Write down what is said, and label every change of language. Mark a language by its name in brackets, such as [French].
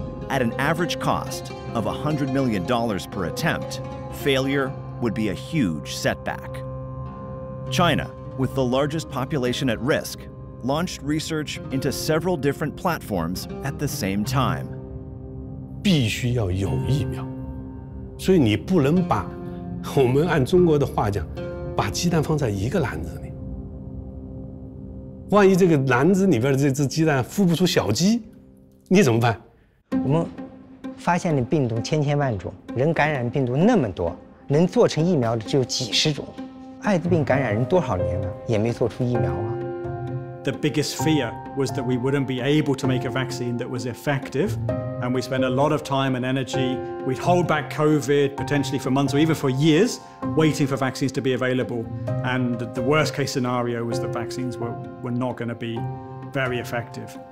[English] At an average cost of $100 million per attempt, failure would be a huge setback. China, with the largest population at risk, launched research into several different platforms at the same time. [Chinese] 必须要有疫苗，所以你不能把我们按中国的话讲，把鸡蛋放在一个篮子。万一这个篮子里边的这只鸡蛋孵不出小鸡，你怎么办？我们发现的病毒千千万种，人感染病毒那么多，能做成疫苗的只有几十种。艾滋病感染人多少年了，也没做出疫苗啊。 [English] the biggest fear was that we wouldn't be able to make a vaccine that was effective. And we spent a lot of time and energy. We'd hold back COVID potentially for months or even for years, waiting for vaccines to be available. And the worst case scenario was that vaccines were not going to be very effective.